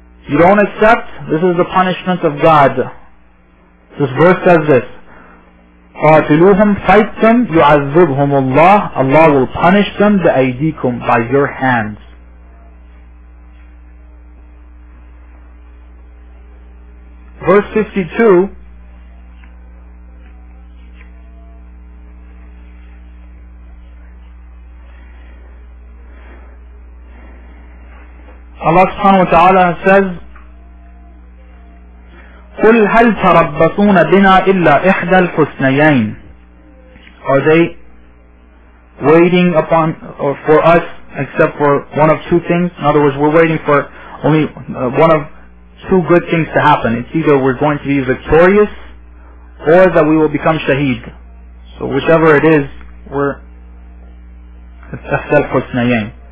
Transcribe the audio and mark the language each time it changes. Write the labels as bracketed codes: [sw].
[en] You don't accept, this is the punishment of God. This verse says this. [ar] قاتلوهم [en] fight them, [ar] يعذبهم الله, [en] Allah will punish them [ar] بأيديكم [en] by your hands. Verse 52, Allah subhanahu wa ta'ala says, [ar] قُلْ هَلْ تَرَبَّصُونَ بِنَا إِلَّا إِحْدَى الْحُسْنَيَيْنِ. [en] Are they waiting upon or for us except for one of two things? In other words, we're waiting for only one of two good things to happen. It's either we're going to be victorious or that we will become shaheed. So whichever it is, we're [ar] إِحْدَى الْحُسْنَيَيْنِ.